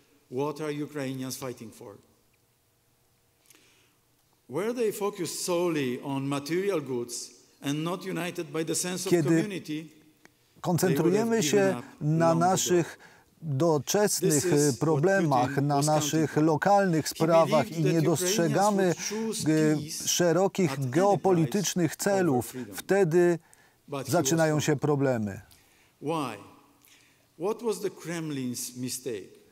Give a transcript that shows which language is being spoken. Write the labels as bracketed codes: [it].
[en] What are Ukrainians fighting for? Were they focused solely on material goods and not united by the sense of community? [pl] Koncentrujemy się na naszych doczesnych problemach, na naszych lokalnych sprawach i nie dostrzegamy szerokich geopolitycznych celów, wtedy zaczynają się problemy. [en] Why? What was the Kremlin's mistake?